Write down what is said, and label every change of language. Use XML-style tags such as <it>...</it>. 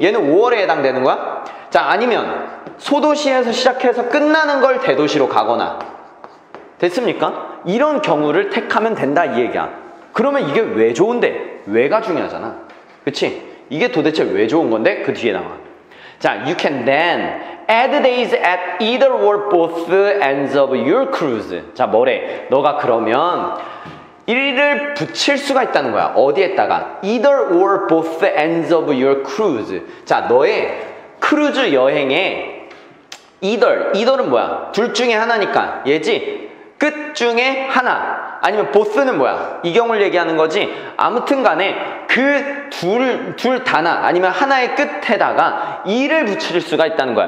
<ko>얘는 5월에 해당되는 거야. 자, 아니면 소도시에서 시작해서 끝나는 걸 대도시로 가거나. 됐습니까? 이런 경우를 택하면 된다 이 얘기야. 그러면 이게 왜 좋은데? 왜가 중요하잖아. 그치? 이게 도대체 왜 좋은 건데? 그 뒤에 나와.</ko> <en>자, you can then add days at either or both ends of your cruise.</en> <ko>자, 뭐래? 너가 그러면 1일을 붙일 수가 있다는 거야. 어디에다가?</ko> <en>Either or both ends of your cruise.</en> <ko>자, 너의 크루즈 여행에 either은 뭐야? 둘 중에 하나니까. 얘지? 끝 중에 하나. 아니면 both는 뭐야? 이 경우를 얘기하는 거지. 아무튼 간에 그 둘 다나 아니면 하나의 끝에다가 일을 붙일 수가 있다는 거야.</ko>